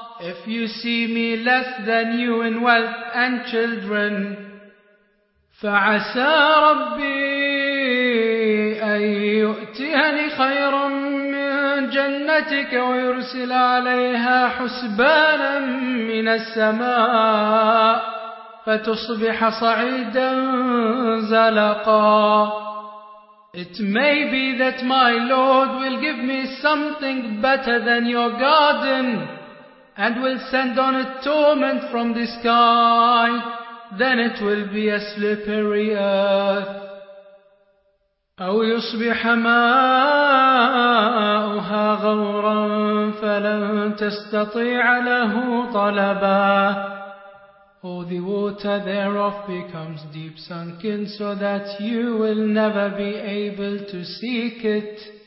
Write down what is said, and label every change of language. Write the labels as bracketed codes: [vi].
[en] If you see me less than you in wealth and children, [ar] فَعَسَى رَبِّي أَن يُؤْتِيَنِ خَيْرٌ مِّن جَنَّتِكَ وَيُرْسِلَ عَلَيْهَا حُسْبَانًا مِّنَ السَّمَاءِ فَتُصْبِحَ صَعِيدًا زَلَقًا. [en] It may be that my Lord will give me something better than your garden and will send on it torment from the sky. Then it will be a slippery earth. [ar] أو يصبح ماؤها غورا فلن تستطيع له طلبا. [en] Or the water thereof becomes deep sunken so that you will never be able to seek it.